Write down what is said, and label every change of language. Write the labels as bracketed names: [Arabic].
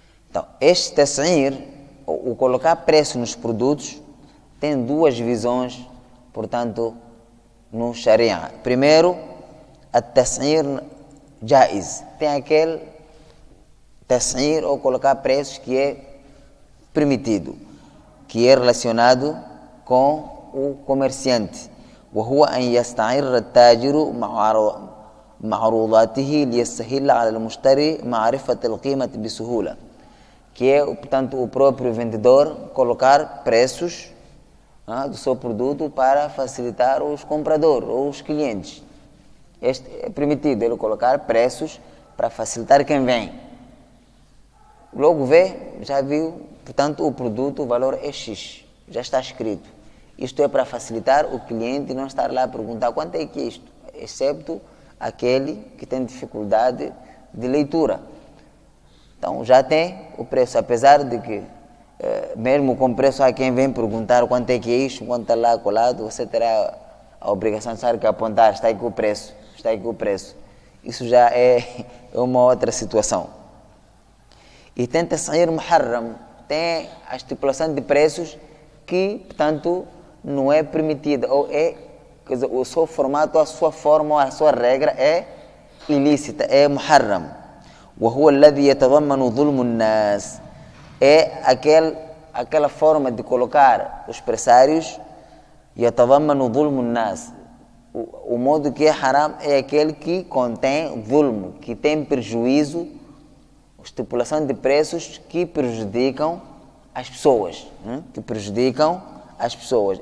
[Portuguese] Então, este tas'ir, o colocar preço nos produtos, tem duas visões, portanto, no Sharia. Primeiro, a tas'ir jaiz. Tem aquele tas'ir ou colocar preços que é permitido, que é relacionado com o comerciante. [Arabic] وهو أن يستعير التاجر معروضاته ليسهل على المشتري معرفة القيمة بسهولة. [Portuguese] Que é, portanto, o próprio vendedor colocar preços, né, do seu produto para facilitar os compradores ou os clientes. Este é permitido, ele colocar preços para facilitar quem vem. Logo vê, já viu, portanto, o produto, o valor é X, já está escrito. Isto é para facilitar o cliente não estar lá a perguntar quanto é que é isto, excepto aquele que tem dificuldade de leitura. Então, já tem o preço, apesar de que, mesmo com preço, há quem vem perguntar quanto é que é isto, quanto está lá colado, você terá a obrigação de saber que apontar, está aqui o preço, está aqui o preço. Isso já é uma outra situação. E tenta sair muharram, tem a estipulação de preços que, portanto, não é permitida, ou é, quer dizer, o seu formato, a sua forma, a sua regra é ilícita, é muharram. [Arabic] وهو الذي يتضمن ظلم الناس. [Portuguese] É aquela forma de colocar os presságios, [Arabic] يتضمن ظلم الناس. [Portuguese] O modo que é haram é aquele que contém ظلم, que tem prejuízo, estipulação de preços que prejudicam as pessoas, que prejudicam as pessoas.